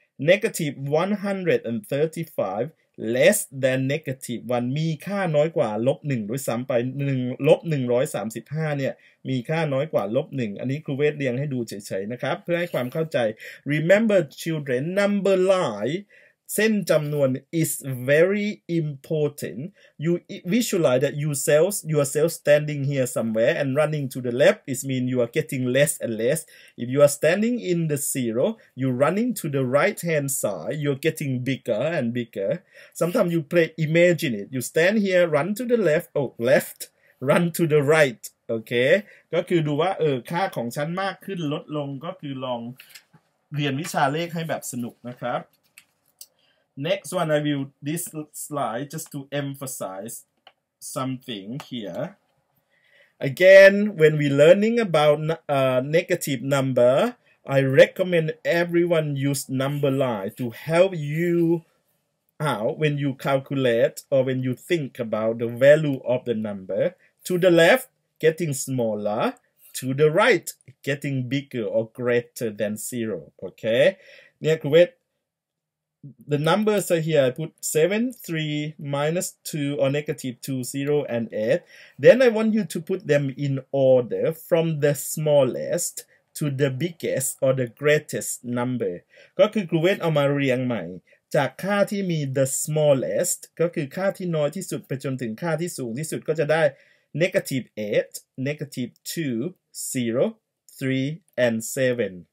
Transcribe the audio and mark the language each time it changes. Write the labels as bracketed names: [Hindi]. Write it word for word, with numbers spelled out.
[English] Negative one hundred thirty-five less than negative one [Thai] มีค่าน้อยกว่า ลบหนึ่ง ด้วยซ้ำไป หนึ่ง ลบหนึ่งร้อยสามสิบห้าเนี่ยมีค่าน้อยกว่า ลบหนึ่ง อันนี้ครูเวทเรียงให้ดูเฉยๆนะครับเพื่อให้ความเข้าใจ [English] Remember children, number line [Thai] เส้นจำนวน [English] is very important. You visualize that yourself, yourself standing here somewhere and running to the left. It means you are getting less and less. If you are standing in the zero, you're running to the right-hand side. You're getting bigger and bigger. Sometimes you play, imagine it. You stand here, run to the left. Oh, left. Run to the right. Okay. [Thai] ก็คือดูว่าเออค่าของฉันมากขึ้นลดลงก็คือลองเรียนวิชาเลขให้แบบสนุกนะครับ [English] Next one, I will this slide just to emphasize something here. Again, when we're learning about uh, negative number, I recommend everyone use number line to help you out when you calculate or when you think about the value of the number. To the left, getting smaller. To the right, getting bigger or greater than zero. Okay? Next, wait. The numbers are here. I put seven, three, minus two, or negative two, zero, and eight. Then I want you to put them in order from the smallest to the biggest or the greatest number. [Thai] ก็คือครูเวทเอามาเรียงใหม่จากค่าที่มี [English] the smallest [Thai] ก็คือค่าที่น้อยที่สุดไปจนถึงค่าที่สูงที่สุดก็จะได้ [English] negative eight, negative two, zero, three, and seven.